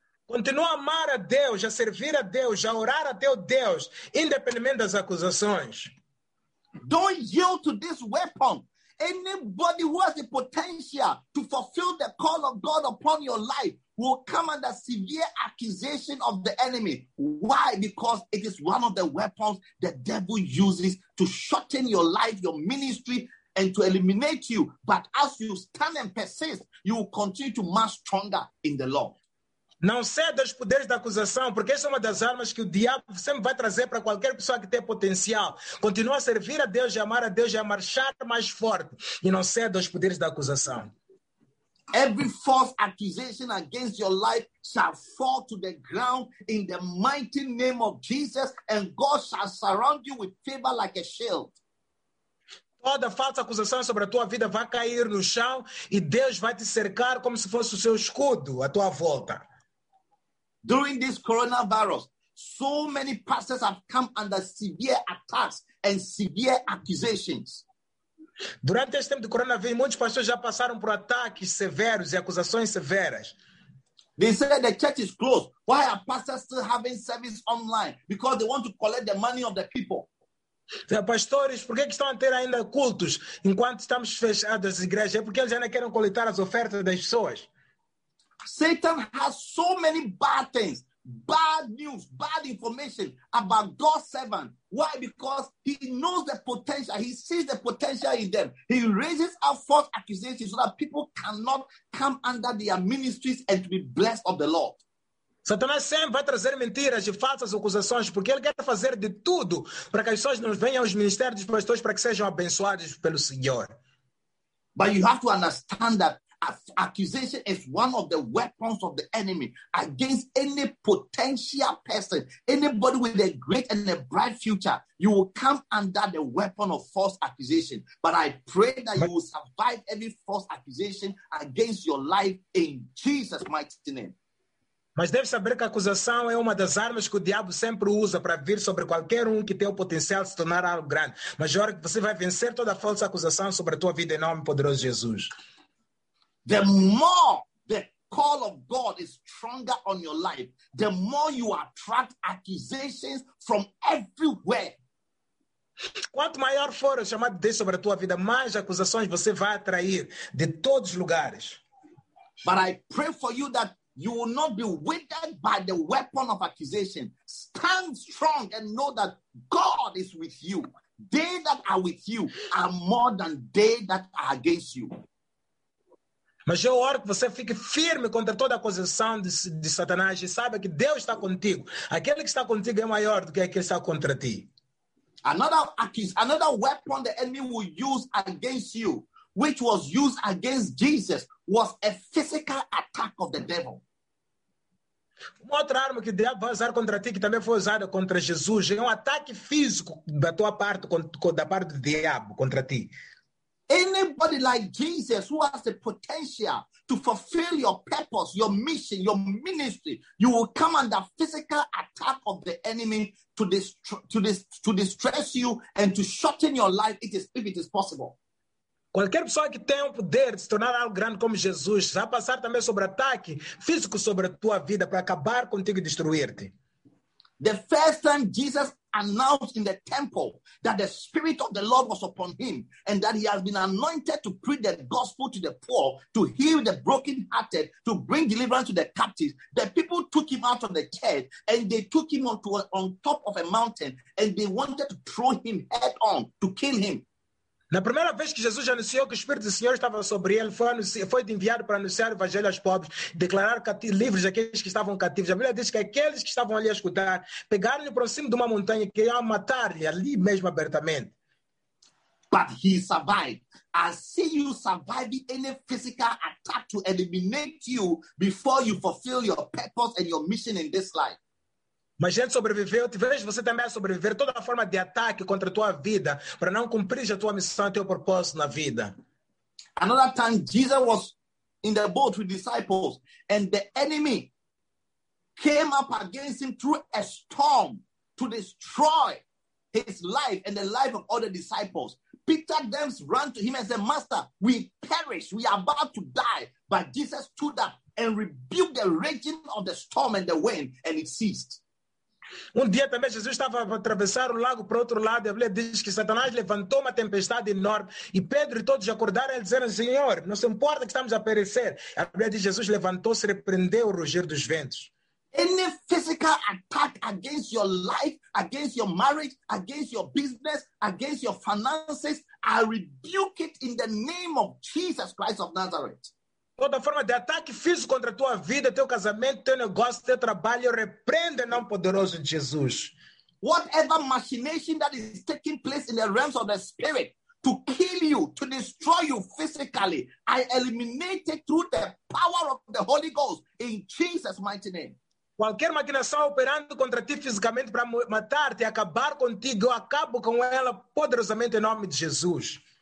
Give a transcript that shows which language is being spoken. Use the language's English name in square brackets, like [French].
[Portuguese] Continua a amar a Deus, a servir a Deus, a orar a teu Deus, independentemente das acusações. [English] Don't yield to this weapon. Anybody who has the potential to fulfill the call of God upon your life will come under severe accusation of the enemy. Why? Because it is one of the weapons the devil uses to shorten your life, your ministry, and to eliminate you. But as you stand and persist, you will continue to march stronger in the Lord. [Portuguese] Não ceda aos poderes da acusação, porque essa é uma das armas que o diabo sempre vai trazer para qualquer pessoa que tem potencial. Continua a servir a Deus e amar a Deus e a marchar mais forte. E não ceda aos poderes da acusação. [English] Every false accusation against your life shall fall to the ground in the mighty name of Jesus, and God shall surround you with favor like a shield. [Portuguese] Toda falsa acusação sobre a tua vida vai cair no chão e Deus vai te cercar como se fosse o seu escudo à tua volta. [English] During this coronavirus, so many pastors have come under severe attacks and severe accusations. [Portuguese] Durante este tempo de coronavírus, muitos pastores já passaram por ataques severos e acusações severas. [English] They said the church is closed. Why are pastors still having service online? Because they want to collect the money of the people. [Portuguese] Pastores, por que estão a ter ainda cultos enquanto estamos fechados as igrejas? É porque eles ainda querem coletar as ofertas das pessoas. [English] Satan has so many bad things, bad news, bad information about God's servant. Why? Because he knows the potential. He sees the potential in them. He raises up false accusations so that people cannot come under their ministries and to be blessed of the Lord. [Portuguese] Satanás sempre vai trazer mentiras e falsas acusações porque ele quer fazer de tudo para que as pessoas não venham aos ministérios dos pastores para que sejam abençoados pelo Senhor. [English] But you have to understand that accusation is one of the weapons of the enemy against any potential person, anybody with a great and a bright future. You will come under the weapon of false accusation. But I pray that you will survive every false accusation against your life in Jesus' mighty name. [Portuguese] Mas deve saber que a acusação é uma das armas que o diabo sempre usa para vir sobre qualquer que tem o potencial de se tornar algo grande. Mas agora que você vai vencer toda a falsa acusação sobre a tua vida em nome poderoso Jesus. [English] The more the call of God is stronger on your life, the more you attract accusations from everywhere. [Portuguese] Quanto maior for o chamado de Deus sobre a tua vida, mais acusações você vai atrair de todos os lugares. [English] But I pray for you that you will not be withered by the weapon of accusation. Stand strong and know that God is with you. They that are with you are more than they that are against you. [Portuguese] Mas eu oro que você fique firme contra toda a acusação de Satanás e saiba que Deus está contigo. Aquele que está contigo é maior do que aquele que está contra ti. [English] Another weapon the enemy will use against you, which was used against Jesus, was a physical attack of the devil. [Portuguese] Uma outra arma que o diabo vai usar contra ti, que também foi usada contra Jesus, é ataque físico da tua parte, da parte do diabo contra ti. [English] Anybody like Jesus who has the potential to fulfill your purpose, your mission, your ministry, you will come under physical attack of the enemy to distress you and to shorten your life if it is possible. [Portuguese] Qualquer pessoa que tenha o poder de se tornar algo grande como Jesus vai passar também sobre ataque físico sobre a tua vida para acabar contigo e destruir-te. [English] The first time Jesus announced in the temple that the Spirit of the Lord was upon him and that he has been anointed to preach the gospel to the poor, to heal the brokenhearted, to bring deliverance to the captives. The people took him out of the church and they took him on top of a mountain and they wanted to throw him head on to kill him. [Portuguese] Na primeira vez que Jesus anunciou que o Espírito do Senhor estava sobre ele, foi enviado para anunciar o Evangelho aos pobres, declarar livres aqueles que estavam cativos. A Bíblia diz que aqueles que estavam ali a escutar, pegaram-lhe para cima de uma montanha que ia matar-lhe ali mesmo abertamente. [English] But he survived. I see you surviving any physical attack to eliminate you before you fulfill your purpose and your mission in this life. [Portuguese] Mas gente sobreviveu, te vejo você também a sobreviver toda a forma de ataque contra a tua vida para não cumprir a tua missão e teu propósito na vida. [English] Another time, Jesus was in the boat with disciples and the enemy came up against him through a storm to destroy his life and the life of other disciples. Peter then ran to him and said, Master, we perish, we are about to die. But Jesus stood up and rebuked the raging of the storm and the wind and it ceased. [Portuguese] Um dia também Jesus estava a atravessar o lago para o outro lado e a Bíblia diz que Satanás levantou uma tempestade enorme e Pedro e todos acordaram e disseram, Senhor, não se importa que estamos a perecer. A Bíblia diz que Jesus levantou-se e repreendeu o rugir dos ventos. [English] Any physical attack against your life, against your marriage, against your business, against your finances, I rebuke it in the name of Jesus Christ of Nazareth. [Portuguese] Toda forma de ataque físico contra a tua vida, teu casamento, teu negócio, teu trabalho, repreende o nome poderoso de Jesus. [English] Whatever machination that is taking place in the realms of the spirit to kill you, to destroy you physically, I eliminate it through the power of the Holy Ghost in Jesus' mighty name. [Portuguese] Qualquer maquinação operando contra ti fisicamente para matar-te e acabar contigo, eu acabo com ela poderosamente em nome de Jesus.